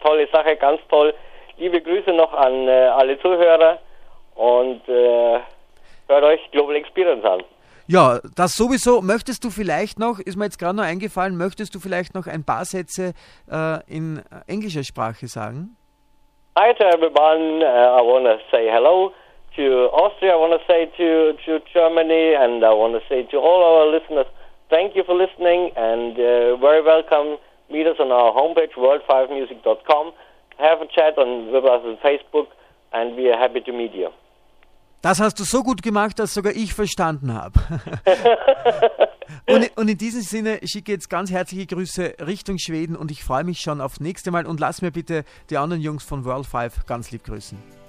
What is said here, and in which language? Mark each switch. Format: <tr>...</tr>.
<de>Tolle Sache, ganz toll. Liebe Grüße noch an alle Zuhörer und hört euch Global Experience an. Ja, das sowieso. Möchtest du vielleicht noch, ist mir jetzt gerade noch eingefallen, möchtest du vielleicht noch ein paar Sätze in englischer Sprache sagen?</de> <en>Hi to everyone, I want to say hello to Austria, I want to say to Germany and I want to say to all our listeners, thank you for listening and very welcome. Meet us on our homepage world5music.com, have a chat on with us on Facebook and we are happy to meet you.</en> <de>Das hast du so gut gemacht, dass sogar ich verstanden habe. Und in diesem Sinne schicke jetzt ganz herzliche Grüße Richtung Schweden und ich freue mich schon aufs nächste Mal und lass mir bitte die anderen Jungs von World 5 ganz lieb grüßen.</de>